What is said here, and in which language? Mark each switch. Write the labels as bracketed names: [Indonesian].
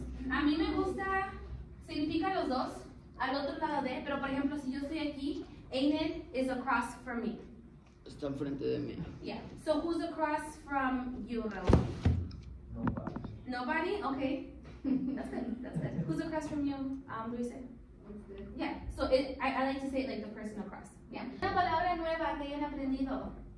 [Spanish] A mí me gusta, significa los dos, al otro lado de, pero por ejemplo, si yo estoy aquí, [English] Aiden is across from me. [Spanish] Está enfrente de mí. [English] Yeah. So who's across from you, Raul? Nobody. Nobody? Okay. That's good. Who's across from you, Luis? Yeah. So I like to say it like the person across. Yeah. [Spanish] Una palabra nueva que hayan aprendido.